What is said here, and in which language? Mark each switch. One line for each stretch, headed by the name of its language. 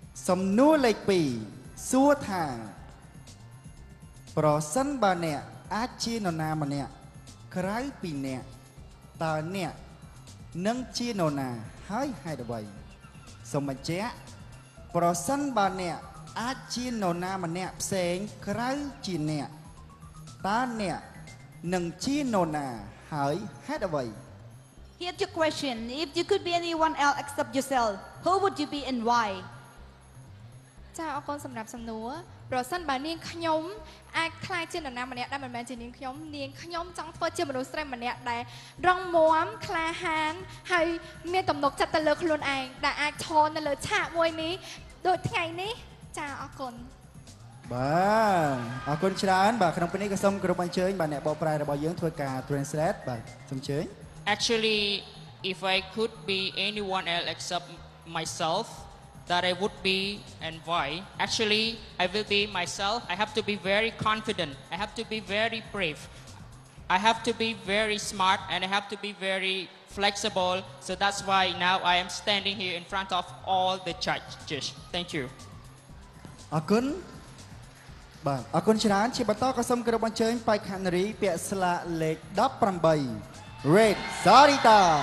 Khmer: សំណួរលេខ2សួរថាប្រសិនបើអ្នកអាចជានរណាម្នាក់ក្រៅពីអ្នកតើអ្នកនឹងជានរណាហើយហេតុអ្វីសូមបញ្ជាក់ប្រសិនបើអ្នកអាចជានរណាម្នាក់ផ្សេងក្រៅជាអ្នកតើអ្នកនឹងជានរណាហើយហេតុអ្វី
English: Here's your question if you could be anyone else except yourself who would you be and why
Khmer: ចា៎អរគុណសម្រាប់សំណួរប្រសិនបើនាងខ្ញុំអាចខ្លាចជានរណាម្នាក់ដែលមិនមែនជានាងខ្ញុំនាងខ្ញុំចង់ធ្វើជាមនុស្សស្រីម្នាក់ដែលរឹងមាំក្លាហានហើយមានទំនុកចិត្តទៅលើខ្លួនឯងដែលអាចឈរនៅលើឆាកមួយនេះដូចថ្ងៃនេះចាអរគុណ បាទអរគុណច្រើនបាទក្នុងពេលនេះក៏សូមគោរពអញ្ជើញបាទអ្នកបកប្រែរបស់យើងធ្វើការ translate បាទសូមអញ្ជើញ
English: Actually if I could be anyone else except myselfthat I would be and why actually I will be myself I have to be very confident I have to be very brave I have to be very smart and I have to be very flexible so that's why now I am standing here in front of all the judges thank you
Khmer: អរគុណបាទអរគុណច្រើនជាបន្តក៏សូមគោរពអញ្ជើញបេក្ខនារីពាក់ស្លាកលេខ18 Red Sarita